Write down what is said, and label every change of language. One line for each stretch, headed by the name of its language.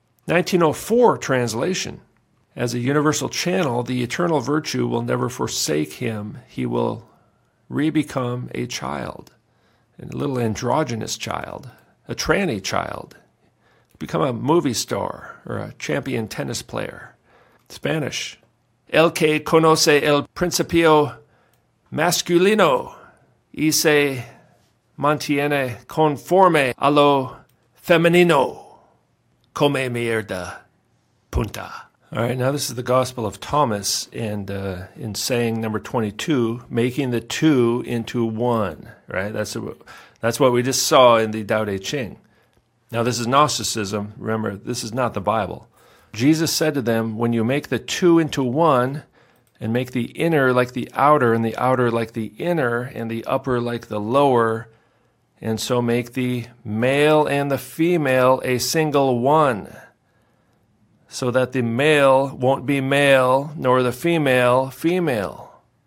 English: 1904 translation. As a universal channel, the eternal virtue will never forsake him. He will re-become a child, a little androgynous child, a tranny child. Become a movie star or a champion tennis player. Spanish.
Spanish: El que conoce el principio masculino y se mantiene conforme a lo femenino. Come mierda, punta.
English: All right, now this is the Gospel of Thomas, and in saying number 22, making the two into one, right? That's what we just saw in the Tao Te Ching. Now this is Gnosticism. Remember, this is not the Bible. Jesus said to them, when you make the two into one, and make the inner like the outer, and the outer like the inner, and the upper like the lower, and so make the male and the female a single one, so that the male won't be male, nor the female female.